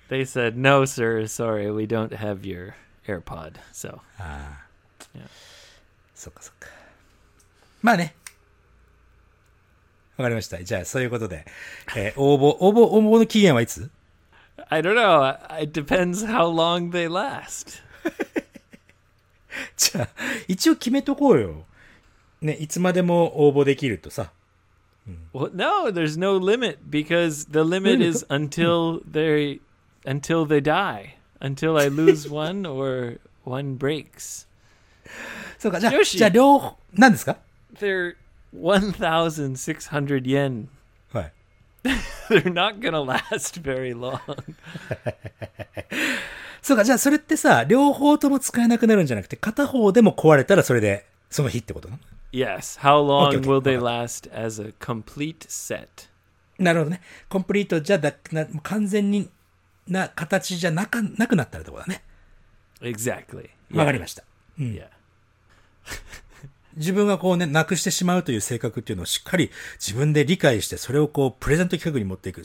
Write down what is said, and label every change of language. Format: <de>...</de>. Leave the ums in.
<en>they said no sir, sorry, we don't have your AirPod. So Ah. Yeah.</en> <ja>So まあね、わかりました。じゃあ、そういうことで、えー、応募、応募、応募の期限はいつ ?</ja> <en>I don't know. It depends how long they last.</en> <ja>じゃあ、一応決めとこうよ。ね、いつまでも応募できるとさ。</ja> <en>Well, no, there's no limit because the limit is until they until they die, until I lose one or one breaks.</en> <ja>So, じゃあ、じゃあ両方、何ですか</ja> <en>They're 1,600 yen. They're not gonna last very long.</en> <ja>そうか、じゃあそれってさ、両方とも使えなくなるんじゃなくて、片方でも壊れたらそれで、その日ってこと</ja> <en>?Yes. How long okay, okay. will they last as a complete set?</en> <ja>なるほどね。コンプリートじゃだな完全にな形じゃなくなったらってことだね。</ja> <en>Exactly.</en> <ja>わかりました。</ja> <en>Yeah. うん yeah.</en> <ja>自分がこうね、なくしてしまうという性格っていうのをしっかり自分で理解して、それをこう、プレゼント企画に持っていく。</ja>